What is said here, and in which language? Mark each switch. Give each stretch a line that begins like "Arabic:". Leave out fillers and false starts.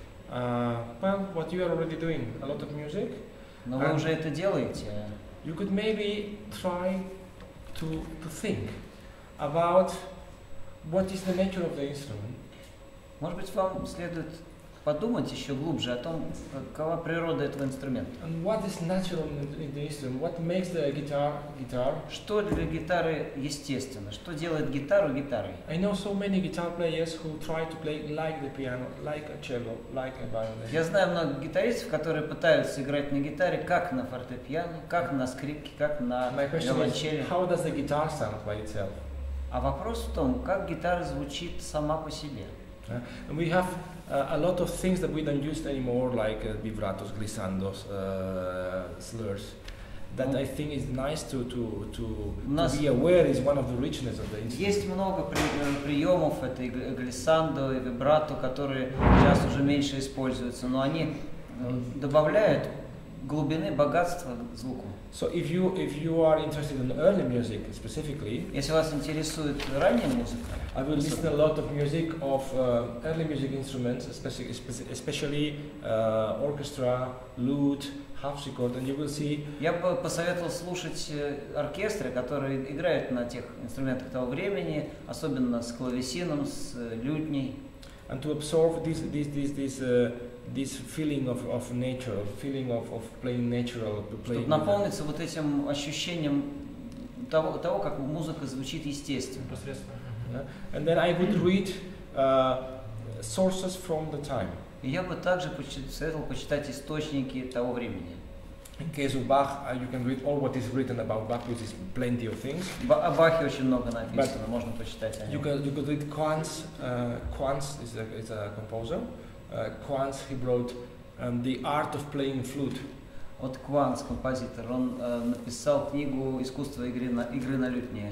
English: Well, what you are already doing, a lot of music.
Russian: Но вы уже это делаете.
English: You could maybe try to think about what is the nature of the instrument.
Russian: Может быть, вам следует подумать еще глубже о том, какова природа этого инструмента.
English: And what is natural in the instrument? What makes the guitar guitar?
Russian: Что для гитары естественно? Что делает гитару гитарой?
English: I know so many guitar players who try to play like the piano, like a cello, like a violin.
Russian: Я знаю много гитаристов, которые пытаются играть на гитаре как на фортепиано, как на скрипке, как на виолончели.
English: How does the guitar sound by itself?
Russian: А вопрос в том, как гитара звучит сама по себе.
English: And we have a lot of things that we don't use anymore, like vibratos, glissandos, slurs, that I think is nice to be aware is one of the richness of the instrument.
Russian: Есть много приемов этой глиссандо и вибрато, которые сейчас уже меньше используются, но они добавляют глубины, богатства звуку.
English: So if you are interested in early music specifically,
Russian: если вас интересует ранняя музыка,
English: I will listen a lot of music of early music instruments, especially orchestra, lute, harpsichord, and you will see.
Russian: Я бы посоветовал слушать оркестры, которые играют на тех инструментах того времени, особенно с клавесином, с лютней.
English: And to absorb this feeling of nature, feeling of playing natural, playing.
Russian: Чтобы наполниться вот этим ощущением того, как музыка звучит естественно.
English: And then I would read sources from the time.
Russian: Я бы также советовал почитать источники того времени.
English: In case of Bach, you can read all what is written about Bach, which is plenty of things.
Russian: О Бахе очень много написано, можно почитать о нем.
English: You could read Quantz. Quantz is a composer. Quantz, he wrote The Art of Playing Flute.
Russian: Вот Quantz, композитор, он написал книгу «Искусство игры на лютне».